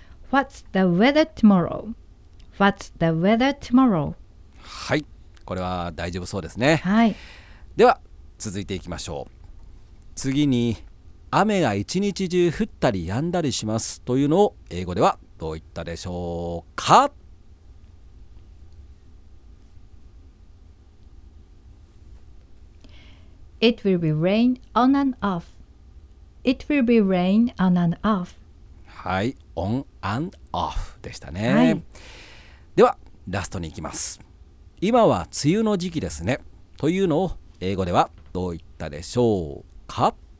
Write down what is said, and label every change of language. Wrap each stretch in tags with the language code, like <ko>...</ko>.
<en>What's the weather tomorrow? What's the weather tomorrow?</en> <ja>はい、これは大丈夫そうですね。はい。では続いていきましょう。次に雨が一日中降ったり止んだりしますというのを英語ではどう言ったでしょうか？</ja> <en>It will be rain on and off. It will be rain on and off.</en> <ja>はい、オン・アン・オフでしたね、はい、ではラストに行きます。今は梅雨の時期ですねというのを英語ではどう言ったでしょうか？</ja>